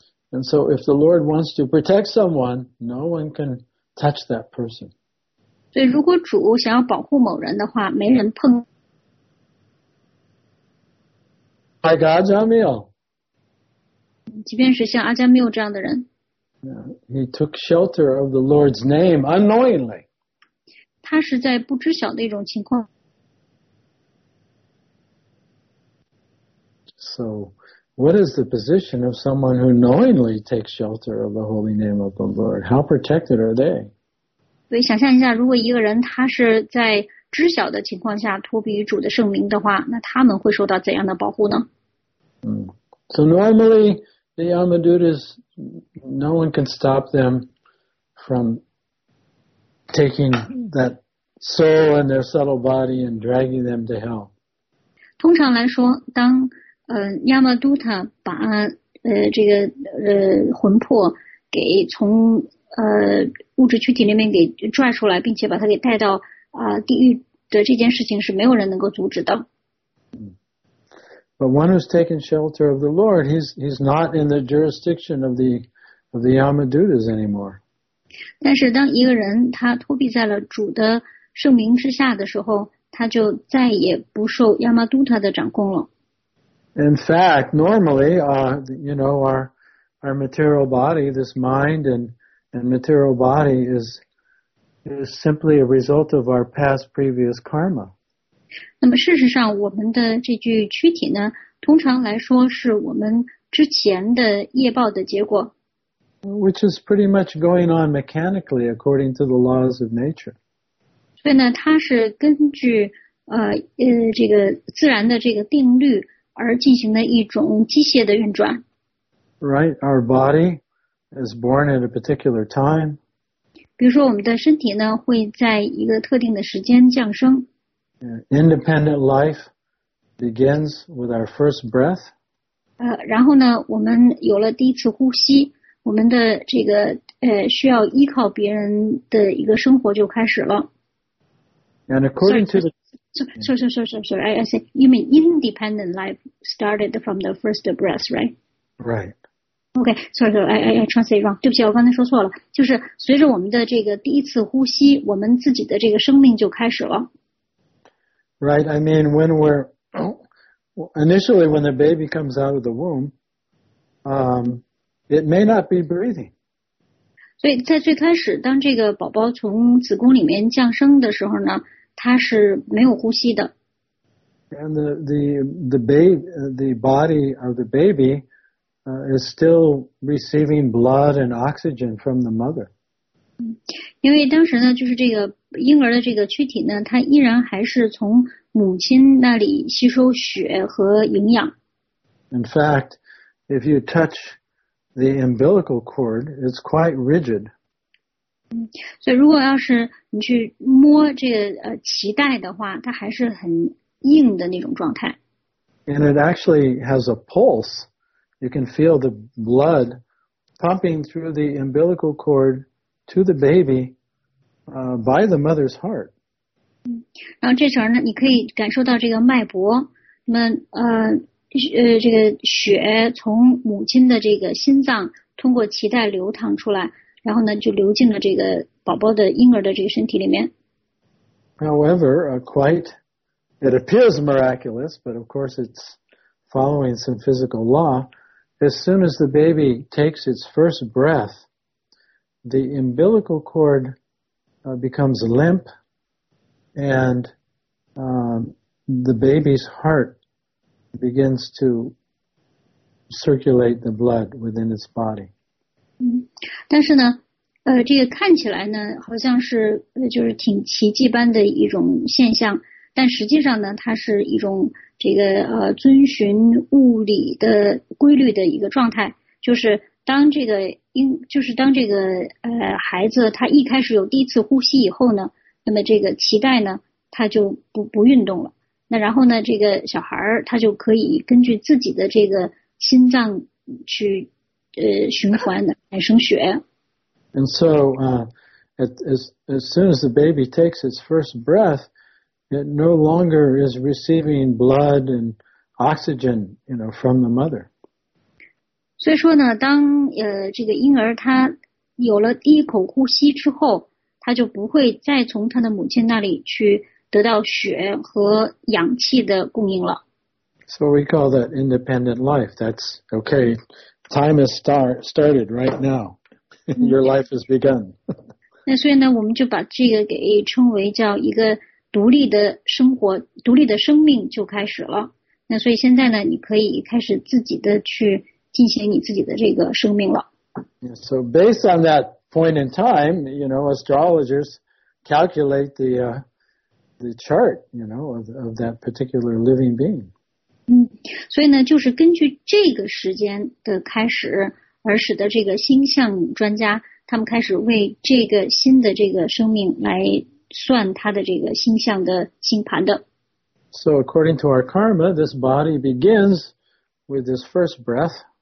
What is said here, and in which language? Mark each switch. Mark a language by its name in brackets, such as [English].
[English] And so if the Lord wants to protect someone, no one can touch that person. [Chinese] 所以如果主想要保护某人的话，没人碰。 [English] By God's Amil. [Chinese] 即便是像阿加缪这样的人。 [English] He took shelter of the Lord's name unknowingly. [Chinese] 他是在不知晓的一种情况。 [English] So, what is the position of someone who knowingly takes shelter of the holy name of the Lord? How protected are they? [Chinese] 所以想象一下，如果一个人他是在知晓的情况下托庇于主的圣名的话，那他们会受到怎样的保护呢？ [English] So normally, the Yamadutas, no one can stop them from taking that soul and their subtle body and dragging them to hell. [Chinese] 通常来说，当Yamaduta 把魂魄给从物质躯体里面给拽出来，并且把它给带到地狱的这件事情是没有人能够阻止的。 [English] But one who's taken shelter of the Lord, he's not in the jurisdiction of the Yamadutas anymore. [Chinese] 但是当一个人他托庇在了主的圣名之下的时候，他就再也不受亚玛都塔的掌控了。 [English] In fact, normally, our material body, this mind and material body is simply a result of our past previous karma. [Chinese] 那么事实上我们的这具躯体呢，通常来说是我们之前的业报的结果。 [English] Which is pretty much going on mechanically according to the laws of nature. [Chinese] 所以呢它是根据这个自然的这个定律而进行的一种机械的运转。 [English] Right, our body is born at a particular time. [Chinese] 比如说我们的身体呢会在一个特定的时间降生。 [English] Independent life begins with our first breath. [Chinese] 然后呢我们有了第一次呼吸，我们的这个需要依靠别人的一个生活就开始了。 [English] And according to the... Sorry, I say, you mean independent life started from the first breath, right? Right. Okay, sorry, I translate wrong. [Chinese] 对不起，我刚才说错了。就是随着我们的这个第一次呼吸，我们自己的这个生命就开始了。 [English] Right, I mean, when we're, initially when the baby comes out of the womb, it may not be breathing. [Chinese] 所以在最开始，当这个宝宝从子宫里面降生的时候呢，它是没有呼吸的。 [English] And the body of the baby, is still receiving blood and oxygen from the mother. [Chinese] 因为当时呢，就是这个婴儿的这个躯体呢，它依然还是从母亲那里吸收血和营养。 [English] In fact, if you touch the umbilical cord, it's quite rigid. [Chinese] 所以如果要是你去摸这个脐带的话，它还是很硬的那种状态。 [English] And it actually has a pulse. You can feel the blood pumping through the umbilical cord to the baby, by the mother's heart. [Chinese] 然后这时候呢，你可以感受到这个脉搏，那么这个血从母亲的这个心脏通过脐带流淌出来，然后呢就流进了这个宝宝的婴儿的这个身体里面。 [English] However, it appears miraculous, but of course it's following some physical law. As soon as the baby takes its first breath, the umbilical cord becomes limp. And the baby's heart begins to circulate the blood within its body. [Chinese] 但是呢这个看起来呢好像是就是挺奇迹般的一种现象，但实际上呢它是一种这个遵循物理的规律的一个状态，就是当这个孩子他一开始有第一次呼吸以后呢，那么这个脐带呢它就不运动了。那然后呢这个小孩儿他就可以根据自己的这个心脏去循环产生血。 [English] And so, as soon as the baby takes its first breath, it no longer is receiving blood and oxygen, from the mother. [Chinese] 所以说呢当这个婴儿他有了第一口呼吸之后，他就不会再从他的母亲那里去得到血和氧气的供应了。 [English] So we call that independent life. That's okay. Time has started right now. Your life has begun. [Chinese] 那所以呢，我们就把这个给称为叫一个独立的生活，独立的生命就开始了。那所以现在呢，你可以开始自己的去进行你自己的这个生命了。 [English] So based on that point in time, you know, astrologers calculate the chart, you know, of that particular living being. [Chinese] 嗯，所以呢，就是根据这个时间的开始，而使得这个星象专家他们开始为这个新的这个生命来算他的这个星象的星盘的。 [English] So according to our karma, this body begins with this first breath.